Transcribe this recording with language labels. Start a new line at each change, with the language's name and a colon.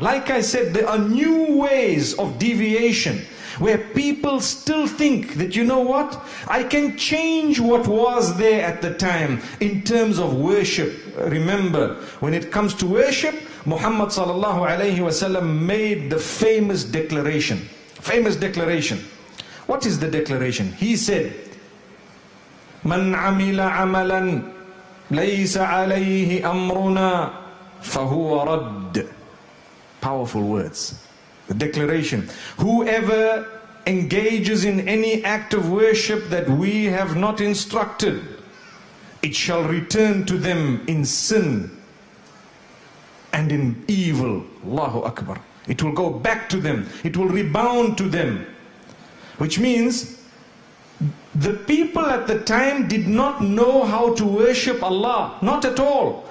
English: Like I said, there are new ways of deviation where people still think that, you know what, I can change what was there at the time in terms of worship. Remember, when it comes to worship, Muhammad sallallahu alayhi wasallam made the famous declaration. Famous declaration. What is the declaration? He said,
Arabic: من عمل عملا ليس عليه أمرنا فهو رد.
English: Powerful words. The declaration. Whoever engages in any act of worship that we have not instructed, it shall return to them in sin and in evil. Allahu Akbar. It will go back to them. It will rebound to them. Which means, the people at the time did not know how to worship Allah. Not at all.